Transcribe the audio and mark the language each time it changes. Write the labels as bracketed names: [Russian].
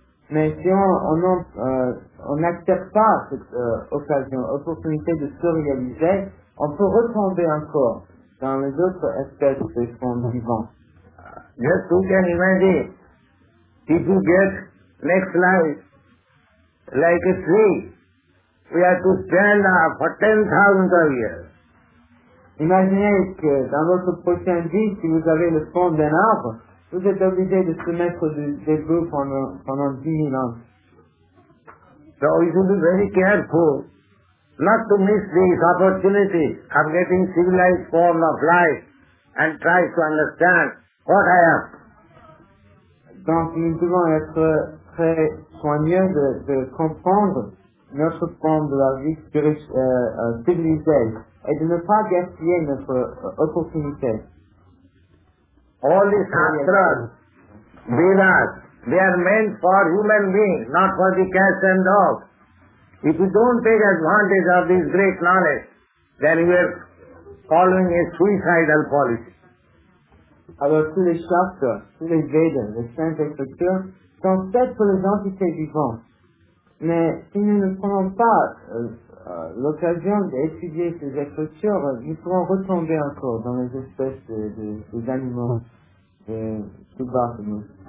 [French] Mais si on n'accepte pas cette occasion, opportunité de se réaliser, on peut retomber encore dans les autres espèces qui sont vivants. [English] Just you can imagine, if you get next life like a tree, we have to stand up for 10,000 of years. [French] Imaginez que dans votre prochaine vie, si vous avez le fond d'un arbre, vous êtes obligé de se mettre debout pendant 10 000 ans. [English] So we should be very careful not to miss this opportunity of getting civilized form of life and try to understand what I am. [French] Donc nous devons être très soigneux de comprendre notre forme de la vie civilisée et de ne pas gaspiller notre opportunité. [English] All these shastras, Vedas, they are meant for human beings, not for the cats and dogs. If you don't take advantage of this great knowledge, then you are following a suicidal policy. [French] Alors tous les shastras, tous les Vedas, les saintes écritures sont faites pour les entités vivantes. Mais si nous ne prenons pas l'occasion d'étudier ces écritures, nous pourrons retomber encore dans les espèces des animaux de tout bas de nous.